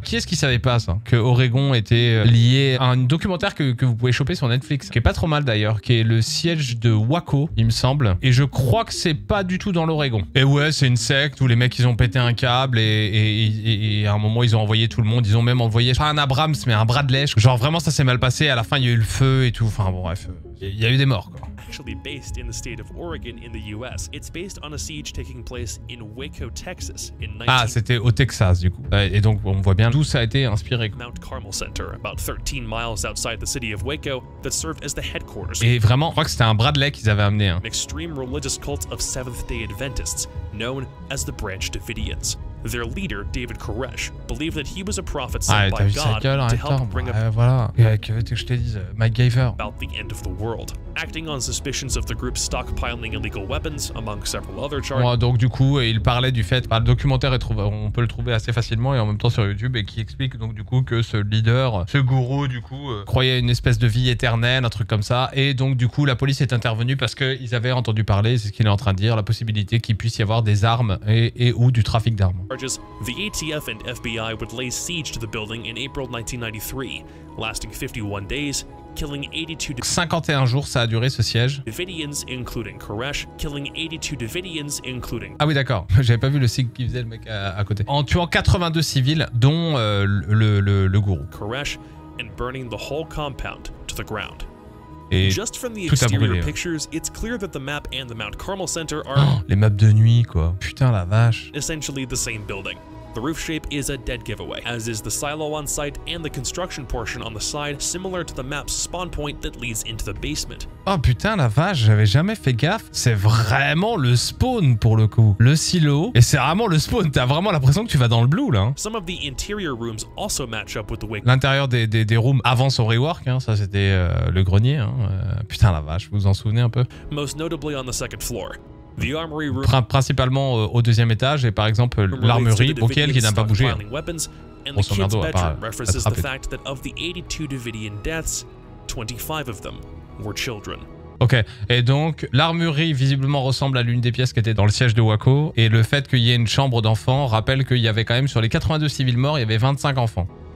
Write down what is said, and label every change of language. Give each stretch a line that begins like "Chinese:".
French: Que Oregon était lié à un documentaire que vous pouvez choper sur Netflix, qui est pas trop mal d'ailleurs, qui est le siège de Waco, il me semble. Et je crois que c'est pas du tout dans l'Oregon. Et ouais, c'est une secte où les mecs, ils ont pété un câble et à un moment, ils ont envoyé tout le monde. Ils ont même envoyé, pas un Abrams, mais un Bradley. Genre vraiment, ça s'est mal passé. À la fin, il y a eu le feu et tout. Enfin bon, bref, il y a eu des morts, quoi.
English: Actually based in the state of Oregon in the US. It's based on a siege taking place in Waco, Texas in 19...
French: Ah, c'était au Texas du coup. Et donc on voit bien d'où ça a été inspiré.
English: Mount Carmel Center, about 13 miles outside the city of Waco, that served as the headquarters.
French: Et vraiment, je crois que c'était un Bradley qu'ils avaient amené, hein.
English: An extreme religious cult of Seventh-day Adventists, known as the Branch Davidians. Their leader, David Koresh, believed that he was a prophet sent by God
French: gueule,
English: to help bring
French: a... voilà. MacGyver.
English: About the end of the world. Acting on suspicions of the group stockpiling illegal weapons, among several other charges.
French: Ouais, donc du coup, il parlait du fait, bah, le documentaire, on peut le trouver assez facilement et en même temps sur YouTube, et qui explique donc du coup que ce leader, ce gourou du coup, croyait une espèce de vie éternelle, un truc comme ça, et donc du coup, la police est intervenue parce qu'ils avaient entendu parler, c'est ce qu'il est en train de dire, la possibilité qu'il puisse y avoir des armes et ou du trafic d'armes.
English: Charges, the ATF and FBI would lay siege to the building in April 1993, lasting 51 days, killing 82
French: Davidians. 51 jours, ça a duré ce siège.
English: Davidians, including Koresh, killing 82 Davidians, including...
French: Ah oui, d'accord. J'avais pas vu le signe qui faisait le mec à côté. En tuant 82 civils, dont le gourou.
English: Koresh, and burning the whole compound to the ground.
French: Et
English: just from the exterior pictures, it's clear that the map and the Mount Carmel Center are...
French: Oh, les maps de nuit, quoi. Putain, la vache.
English: Essentially the same building. The roof shape is a dead giveaway, as is the silo on site and the construction portion on the side, similar to the map's spawn point that leads into the basement.
French: Oh putain, la vache, j'avais jamais fait gaffe. C'est vraiment le spawn pour le coup. Le silo, et c'est vraiment le spawn. T'as vraiment l'impression que tu vas dans le blue, là.
English: Some of the interior rooms also match up with the wake.
French: L'intérieur des rooms avant son rework, hein, ça c'était le grenier. Hein. Putain, la vache, vous vous en souvenez un peu?
English: Most notably on the second floor. The armory room.
French: Principalement au deuxième étage, et par exemple l'armurerie, ok, elle qui n'a pas bougé.
English: Weapons, and the kid's bedroom references the fact that of the 82 Davidian deaths, 25 of them were children.
French: Ok, et donc l'armurerie visiblement ressemble à l'une des pièces qui était dans le siège de Waco, et le fait qu'il y ait une chambre d'enfants rappelle qu'il y avait quand même sur les 82 civils morts, il y avait 25 enfants.